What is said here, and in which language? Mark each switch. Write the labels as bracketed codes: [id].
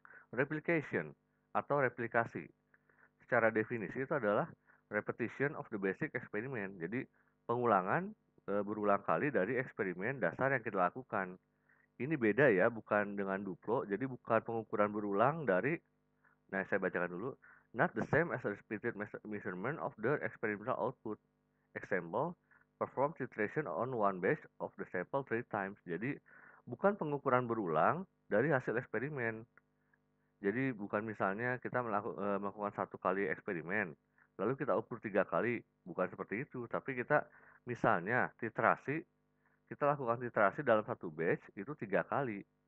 [id] Replication atau replikasi. Secara definisi itu adalah [en] repetition of the basic experiment. [id] Jadi, pengulangan berulang kali dari eksperimen dasar yang kita lakukan. Ini beda ya, bukan dengan duplo. Jadi, bukan pengukuran berulang dari, nah saya bacakan dulu. [en] Not the same as a repeated measurement of the experimental output. Example, perform titration on one batch of the sample 3 times. [id] Jadi, bukan pengukuran berulang dari hasil eksperimen. Jadi, bukan misalnya kita melakukan satu kali eksperimen, lalu kita ukur 3 kali. Bukan seperti itu, tapi kita misalnya titrasi, kita lakukan titrasi dalam satu batch itu 3 kali.